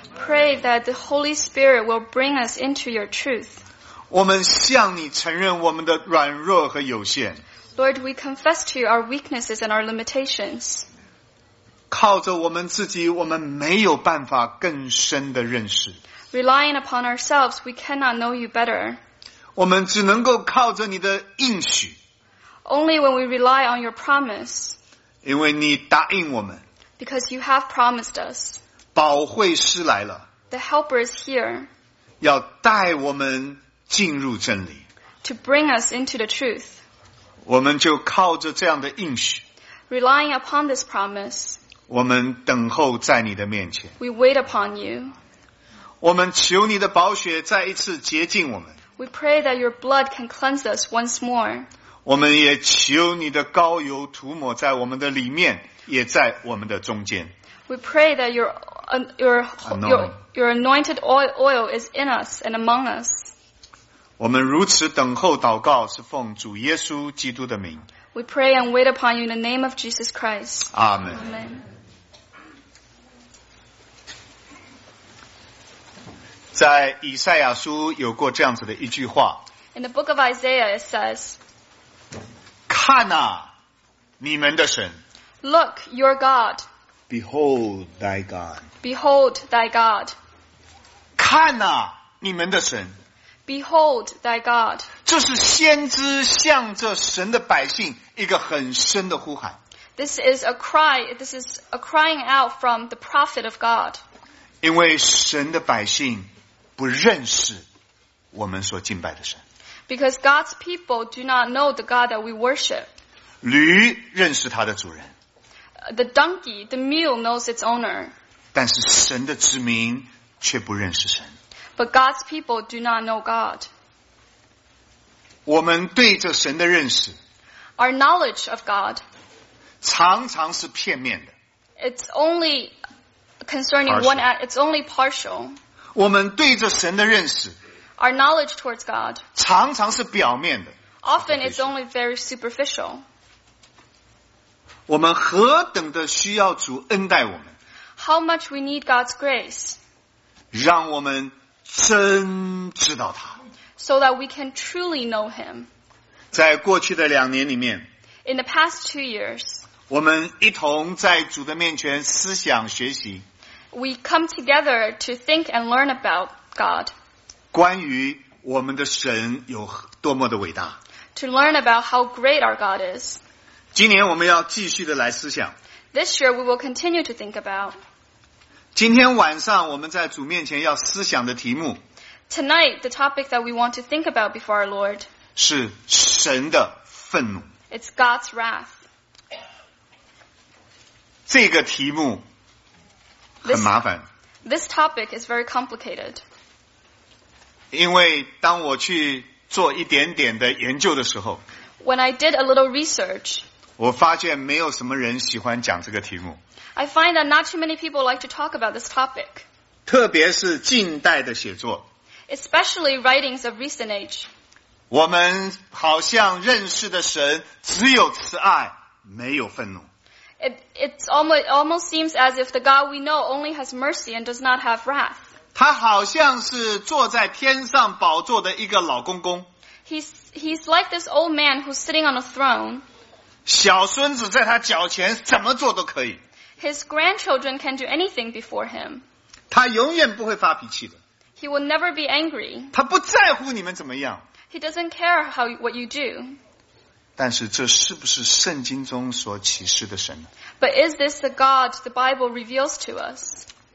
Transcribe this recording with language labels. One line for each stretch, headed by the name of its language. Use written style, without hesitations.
English: Pray that the Holy Spirit will bring us into your truth.
Chinese: 我们向你承认我们的软弱和有限。
English: Lord, we confess to you our weaknesses and our limitations.
Chinese: 靠着我们自己，我们没有办法更深的认识。
English: Relying upon ourselves, we cannot know you better.
Chinese: 我们只能够靠着你的应许。
English: Only when we rely on your promise.
Chinese: 因为你答应我们。
English: Because you have promised us.
Chinese: 保惠师来了。
English: The helper is here.
Chinese: 要带我们进入真理。
English: To bring us into the truth.
Chinese: 我们就靠着这样的应许。
English: Relying upon this promise.
Chinese: 我们等候在你的面前。
English: We wait upon you.
Chinese: 我们求你的宝血再一次洁净我们。
English: We pray that your blood can cleanse us once more.
Chinese: 我们也求你的膏油涂抹在我们的里面，也在我们的中间。
English: We pray that your anointed oil is in us and among us.
Chinese: 我们如此等候祷告，是奉主耶稣基督的名。
English: We pray and wait upon you in the name of Jesus Christ. Amen. Amen.
Chinese: 在以赛亚书有过这样子的一句话。
English: In the book of Isaiah, it says,
Chinese: 看啊，你们的神。
English: Look, your God. Behold, thy God. Behold, thy God.
Chinese: 看啊，你们的神。
English: Behold, thy God.
Chinese: 这是先知向着神的百姓一个很深的呼喊。
English: This is a crying out from the prophet of God.
Chinese: 因为神的百姓不认识我们所敬拜的神。
English: Because God's people do not know the God that we worship.
Chinese: 驴认识它的主人。
English: The donkey, the mule knows its owner.
Chinese: 但是神的子民却不认识神。
English: But God's people do not know God.
Chinese: 我们对着神的认识。
English: Our knowledge of God.
Chinese: 常常是片面的。
English: It's only concerning one act, it's only partial.
Chinese: 我们对着神的认识
English: Our knowledge towards God
Chinese: 常常是表面的
English: Often it's only very superficial
Chinese: 我们何等的需要主恩待我们
English: How much we need God's grace
Chinese: 让我们真知道他
English: So that we can truly know him
Chinese: 在过去的两年里面
English: In the past 2 years
Chinese: 我们一同在主的面前思想学习
English: We come together to think and learn about God.
Chinese: 关于我们的神有多么的伟大。
English: To learn about how great our God is.
Chinese: 今年我们要继续的来思想。
English: This year we will continue to think about.
Chinese: 今天晚上我们在主面前要思想的题目。
English: Tonight, the topic that we want to think about before our Lord.
Chinese: 是神的愤怒。
English: It's God's wrath.
Chinese: 这个题目很麻烦。
English: This topic is very complicated.
Chinese: 因为当我去做一点点的研究的时候
English: When I did a little research,
Chinese: 我发现没有什么人喜欢讲这个题目。
English: I find that not too many people like to talk about this topic.
Chinese: 特别是近代的写作。
English: Especially writings of recent age.
Chinese: 我们好像认识的神只有慈爱，没有愤怒。
English: It almost seems as if the God we know only has mercy and does not have wrath.
Chinese: 他好像是坐在天上宝座的一个老公公。
English: He's like this old man who's sitting on a throne.
Chinese: 小孙子在他脚前怎么做都可以。
English: His grandchildren can do anything before him.
Chinese: 他永远不会发脾气的。
English: He will never be angry.
Chinese: 他不在乎你们怎么样。
English: He doesn't care what you do.
Chinese: 但是这是不是圣经中所启示的神呢
English: ？But is this the God the Bible reveals to us?